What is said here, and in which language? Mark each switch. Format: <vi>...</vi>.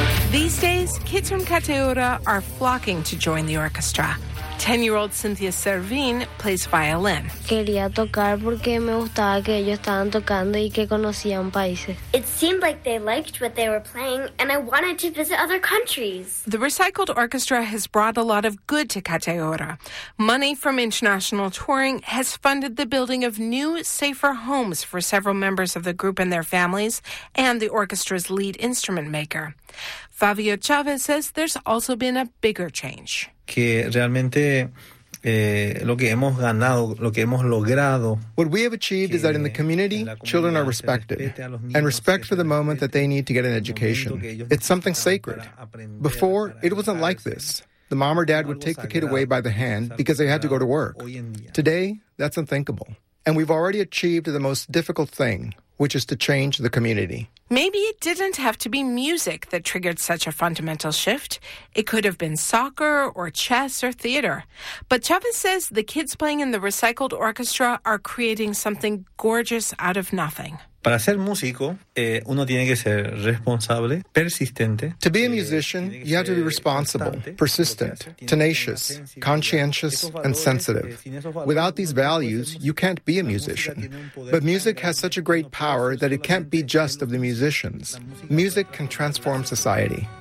<en>These days, kids from Cateura are flocking to join the orchestra. 10-year-old Cynthia Servin plays violin.</en> <es>Quería tocar porque me gustaba que ellos estaban tocando y que conocían países.</es> <en>It seemed like they liked what they were playing, and I wanted to visit other countries. The recycled orchestra has brought a lot of good to Cateura. Money from international touring has funded the building of new, safer homes for several members of the group and their families, and the orchestra's lead instrument maker. Fabio Chavez says there's also been a bigger change.</en> <es>Que realmente lo que hemos ganado, lo que hemos logrado.</es> <en>What we have achieved is that in the community, children are respected, and respect for the moment that they need to get an education. It's something sacred. Before, it wasn't like this. The mom or dad would take the kid away by the hand because they had to go to work. Today, that's unthinkable. And we've already achieved the most difficult thing, which is to change the community. Maybe it didn't have to be music that triggered such a fundamental shift. It could have been soccer or chess or theater. But Chavez says the kids playing in the recycled orchestra are creating something gorgeous out of nothing.</en> <es>Para ser músico, uno tiene que ser responsable, persistente.</es> <en>To be a musician, you have to be responsible, persistent, tenacious, conscientious, and sensitive. Without these values, you can't be a musician. But music has such a great power that it can't be just of the musicians. Music can transform society.</en>